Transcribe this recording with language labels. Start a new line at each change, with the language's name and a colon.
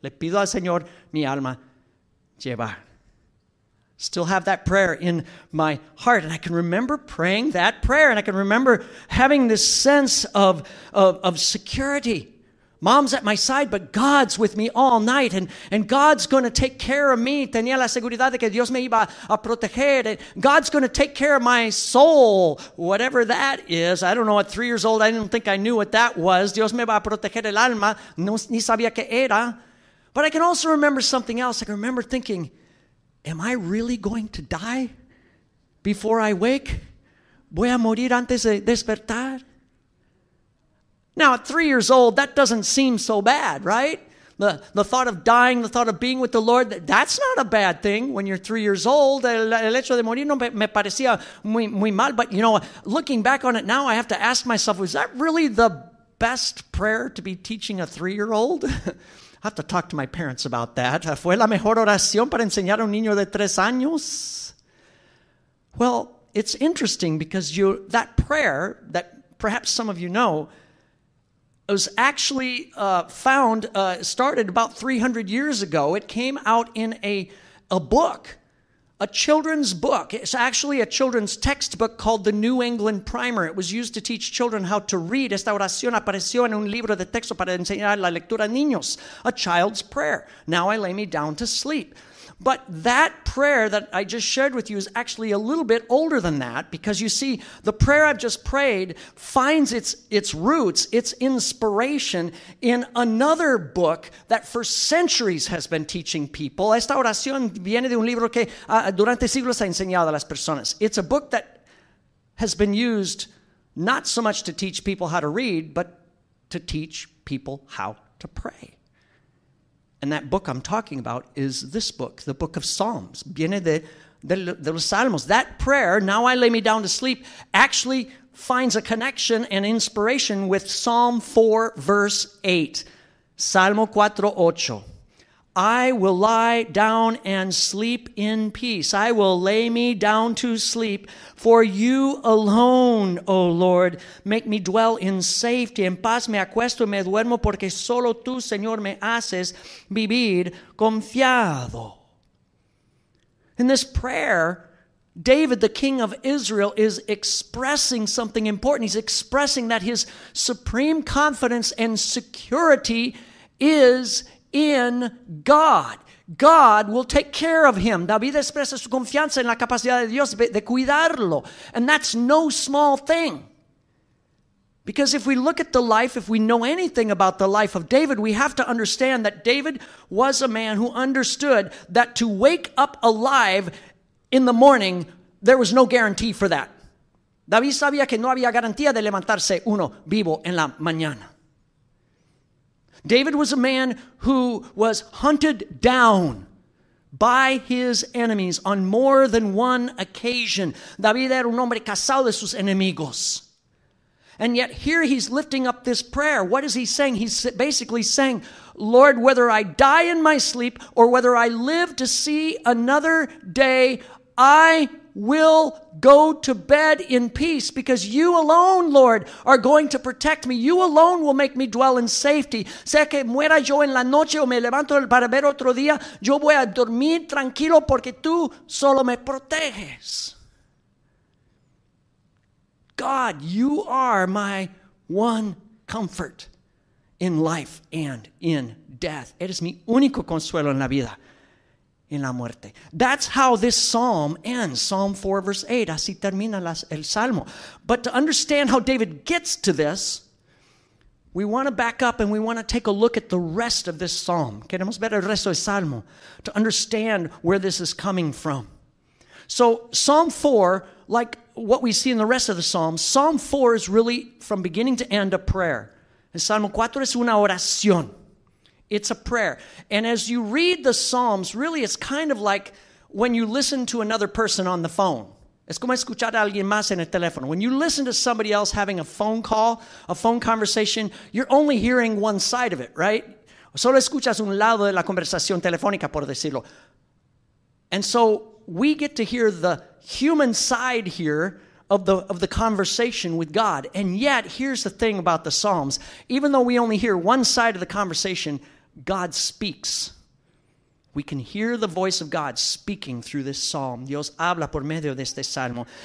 Spanish: Le pido al Señor mi alma llevar.
English: Still have that prayer in my heart. And I can remember praying that prayer. And I can remember having this sense of security. Mom's at my side, but God's with me all night, and God's going to take care of me.
Spanish: Tenía la seguridad de que Dios me iba a proteger.
English: And God's going to take care of my soul, whatever that is. I don't know, at 3 years old, I didn't think I knew what that was.
Spanish: Dios me va a proteger el alma. No, ni sabía qué era.
English: But I can also remember something else. I can remember thinking, am I really going to die before I wake?
Spanish: ¿Voy a morir antes de despertar?
English: Now, at 3 years old, that doesn't seem so bad, right? The thought of dying, the thought of being with the Lord, that's not a bad thing when you're 3 years old.
Spanish: El hecho de morir no me parecía muy mal.
English: But, you know, looking back on it now, I have to ask myself, was that really the best prayer to be teaching a three-year-old? I have to talk to my parents about that.
Spanish: ¿Fue la mejor oración para enseñar a un niño de tres años?
English: Well, it's interesting because that prayer that perhaps some of you know, it was actually started about 300 years ago. It came out in a book, a children's book. It's actually a children's textbook called the New England Primer. It was used to teach children how to read.
Spanish: Esta oración apareció en un libro de texto para enseñar la lectura a niños,
English: a child's prayer. Now I lay me down to sleep. But that prayer that I just shared with you is actually a little bit older than that, because you see, the prayer I've just prayed finds its roots, its inspiration in another book that for centuries has been teaching people.
Spanish: Esta oración viene de un libro que durante siglos ha enseñado a las personas.
English: It's a book that has been used not so much to teach people how to read, but to teach people how to pray. And that book I'm talking about is this book, the book of Psalms.
Spanish: Viene de los Salmos.
English: That prayer, now I lay me down to sleep, actually finds a connection and inspiration with Psalm 4, verse 8. Salmo 4, 8. I will lie down and sleep in peace. I will lay me down to sleep. For you alone, O Lord, make me dwell in safety.
Spanish: En paz me acuesto y me duermo, porque solo tú, Señor, me haces vivir confiado.
English: In this prayer, David, the king of Israel, is expressing something important. He's expressing that his supreme confidence and security is in God. God will take care of him.
Spanish: David expresa su confianza en la capacidad de Dios de cuidarlo.
English: And that's no small thing. Because if we look at the life, if we know anything about the life of David, we have to understand that David was a man who understood that to wake up alive in the morning, there was no guarantee for that.
Spanish: David sabía que no había garantía de levantarse uno vivo en la mañana.
English: David was a man who was hunted down by his enemies on more than one occasion.
Spanish: David era un hombre cazado de sus enemigos.
English: And yet here he's lifting up this prayer. What is he saying? He's basically saying, Lord, whether I die in my sleep or whether I live to see another day, I will go to bed in peace, because you alone, Lord, are going to protect me. You alone will make me dwell in safety.
Spanish: Sea que muera yo en la noche o me levanto para ver otro día, yo voy a dormir tranquilo porque tú solo me proteges.
English: God, you are my one comfort in life and in death.
Spanish: Eres mi único consuelo en la vida, en la muerte.
English: That's how this psalm ends, Psalm 4, verse 8.
Spanish: Así termina el salmo.
English: But to understand how David gets to this, we want to back up and we want to take a look at the rest of this psalm.
Spanish: Queremos ver el resto del salmo
English: to understand where this is coming from. So Psalm 4, like what we see in the rest of the psalm, Psalm 4 is really, from beginning to end, a prayer.
Spanish: El Salmo 4 es una oración.
English: It's a prayer. And as you read the psalms, really it's kind of like when you listen to another person on the phone.
Spanish: Es como escuchar a alguien más en el teléfono.
English: When you listen to somebody else having a phone call, a phone conversation, you're only hearing one side of it, right?
Spanish: Solo escuchas un lado de la conversación telefónica, por decirlo.
English: And so we get to hear the human side here of the conversation with God. And yet, here's the thing about the Psalms. Even though we only hear one side of the conversation, God speaks. We can hear the voice of God speaking through this psalm.
Spanish: Dios habla por medio de este salmo.